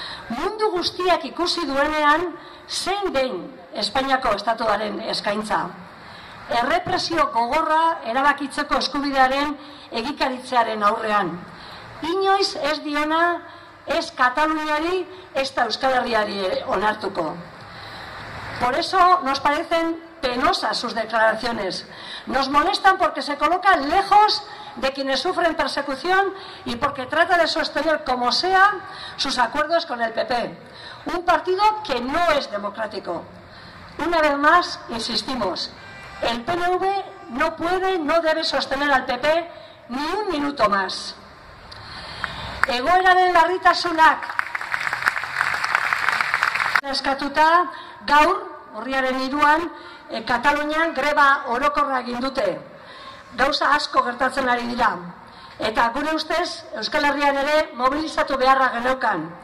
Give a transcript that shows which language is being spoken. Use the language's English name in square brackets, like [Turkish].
[Basque] Mundu guztiak ikusi duenean, zein den Espainiako estatuaren eskaintza. Errepresio gogorra erabakitzeko eskubidearen egikaritzearen aurrean. Inoiz ez diona, ez Kataluniari, ez da Euskal Herriari onartuko. [Spanish] Por eso nos parecen penosas sus declaraciones. Nos molestan porque se colocan lejos de quienes sufren persecución y porque trata de sostener como sea sus acuerdos con el PP, un partido que no es democrático. Una vez más, insistimos, el PNV no puede, no debe sostener al PP ni un minuto más. [Basque] Egoeraren larritasunak eskatuta gaur, urriaren 3an, Katalunian greba orokorra egin dute. Gauza asko gertatzen ari dira. Eta gure ustez, Euskal Herrian ere mobilizatu beharra geneukan.